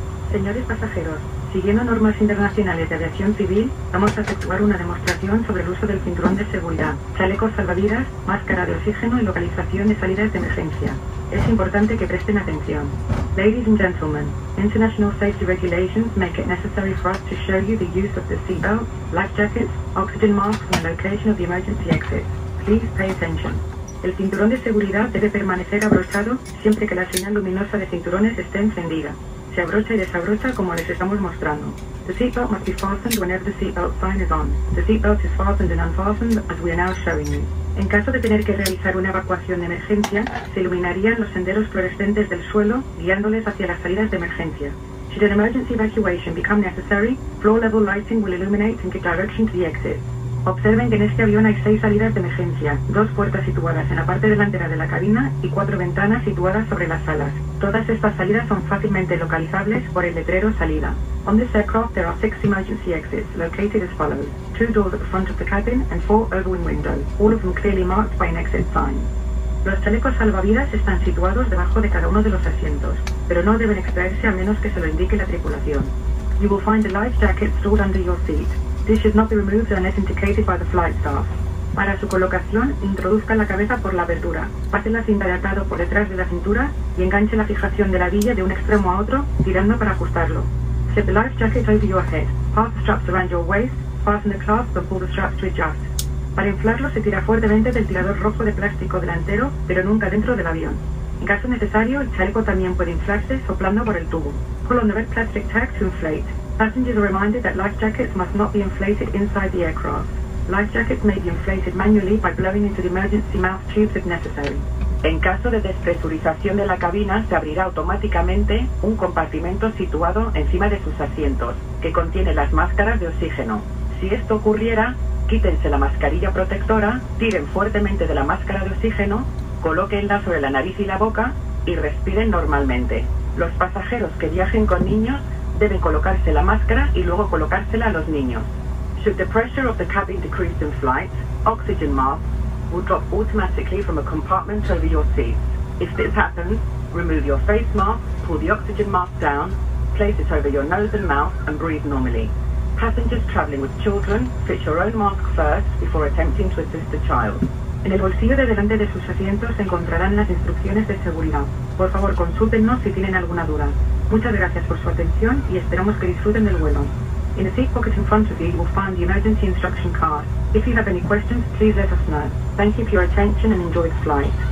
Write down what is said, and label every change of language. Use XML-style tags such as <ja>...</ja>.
<es>Señores pasajeros, siguiendo normas internacionales de aviación civil, vamos a efectuar una demostración sobre el uso del cinturón de seguridad, chalecos salvavidas, máscara de oxígeno y localización de salidas de emergencia. Es importante que presten atención.</es> <en>Ladies and gentlemen, international safety regulations make it necessary for us to show you the use of the seatbelt, life jackets, oxygen masks and the location of the emergency exit. Please pay attention.</en> <es>El cinturón de seguridad debe permanecer abrochado siempre que la señal luminosa de cinturones esté encendida. Se abrocha y desabrocha como les estamos mostrando.</es> <en>The seatbelt must be fastened whenever the seatbelt sign is on. The seatbelt is fastened and unfastened as we are now showing you.</en> <es>En caso de tener que realizar una evacuación de emergencia, se iluminarían los senderos fluorescentes del suelo, guiándoles hacia las salidas de emergencia.</es> <en>Should an emergency evacuation become necessary, floor level lighting will illuminate in the direction to the exit.</en> <es>Observen que en este avión hay 6 salidas de emergencia, 2 puertas situadas en la parte delantera de la cabina y 4 ventanas situadas sobre las alas. Todas estas salidas son fácilmente localizables por el letrero salida.</es> <en>On this aircraft there are 6 emergency exits located as follows. 2 doors at the front of the cabin and 4 overwing windows, all of them clearly marked by an exit sign.</en> <es>Los chalecos salvavidas están situados debajo de cada uno de los asientos. pero no deben extraerse a menos que se lo indique la tripulación.</es> <en>You will find a life jacket stored under your seat. This should not be removed unless indicated by the flight staff.</en> <es>Para su colocación, introduzca la cabeza por la abertura, pase la cinta de atado por detrás de la cintura y enganche la fijación de la hebilla de un extremo a otro, tirando para ajustarlo.</es> <en>Set the life jacket over your head. Pass the straps around your waist. Fasten the clasp and pull the straps to adjust.</en> <es>Para inflarlo, se tira fuertemente del tirador rojo de plástico delantero, pero nunca dentro del avión. En caso necesario, el chaleco también puede inflarse soplando por el tubo.</es> <en>Pull on the red plastic tag to inflate. Passengers are reminded that life jackets must not be inflated inside the aircraft. Life jackets may be inflated manually by blowing into the emergency mouth tubes if necessary.</en> <es>En caso de despresurización de la cabina, se abrirá automáticamente un compartimento situado encima de sus asientos, que contiene las máscaras de oxígeno. Si esto ocurriera, quítense la mascarilla protectora, tiren fuertemente de la máscara de oxígeno, colóquenla sobre la nariz y la boca y respiren normalmente. Los pasajeros que viajen con niños deben colocarse la máscara y luego colocársela a los niños.</es> <en>Should the pressure of the cabin decrease in flight, oxygen mask will drop automatically from a compartment over your seat. If this happens, remove your face mask, pull the oxygen mask down, place it over your nose and mouth, and breathe normally. Passengers traveling with children, fit your own mask first before attempting to assist the child.</en> <es>En el bolsillo de delante de sus asientos se encontrarán las instrucciones de seguridad. Por favor, consúltenos si tienen alguna duda. Muchas gracias por su atención y esperamos que disfruten del vuelo.</es> <en>In the seat pocket in front of you, you will find the emergency instruction card. If you have any questions, please let us know. Thank you for your attention and enjoy the flight.</en>